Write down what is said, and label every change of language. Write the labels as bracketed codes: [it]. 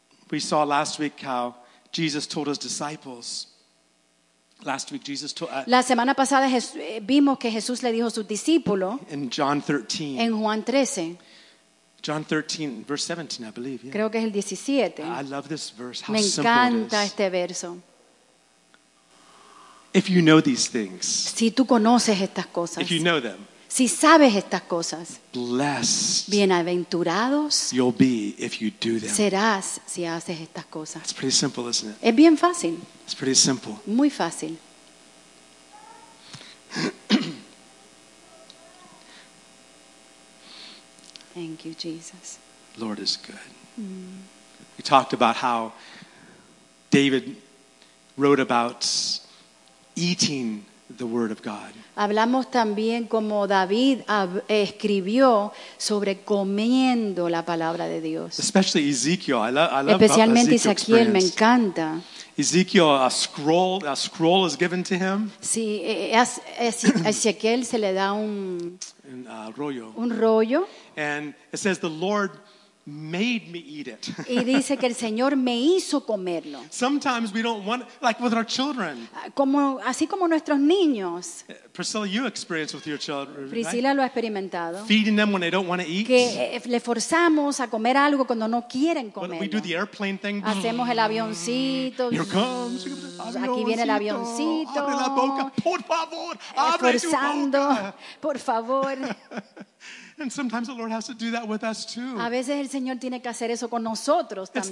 [en] We saw last week how Jesus told his disciples. Last week Jesus told. [es] La semana pasada vimos que Jesús le dijo a sus discípulos. [en] In John 13. [es] En Juan 13. [en] John 13, verse 17, I believe. Yeah. [es] Creo que es el 17. [en] I love this verse. How [es] Me [en] simple [es] encanta [en] it is. [es] Este verso. [en] If you know these things. [es] Si tú conoces estas cosas. [en] If you know them. [es] Si sabes estas cosas, [en] blessed [es] bienaventurados [en] you'll be if you do them. [es] Serás si haces estas cosas. [en] It's pretty simple, isn't it? [es] Es bien fácil. [en] It's pretty simple. [es] Muy fácil. [en] Thank you, Jesus. Lord is good. Mm. We talked about how David wrote about eating the word of God. [es] Hablamos también como David escribió sobre comiendo la palabra de Dios. [en] Especially Ezekiel. I love [es] especialmente Ezequiel, me encanta. [en] Ezekiel, a scroll is given to him. [es] Sí, Ezequiel se le da un rollo. [en] And it says the Lord made me eat it. [es] Y dice que el Señor me hizo comerlo. [en] Sometimes we don't want, like with our children. [es] Como así como nuestros niños. [en] Priscilla, you experienced with your children. Priscilla right? [es] Lo ha experimentado. [en] Feeding them when they don't want to eat. [es] Que le forzamos a comer algo cuando no quieren comer. [en] We do the airplane thing. [es] Hacemos el avioncito. [en] Here comes. [es] Aquí viene el avioncito. Abre la boca, por favor. Abre forzando, por favor. [en] And sometimes the Lord has to do that with us too. [es] A veces el Señor tiene que hacer eso con nosotros también.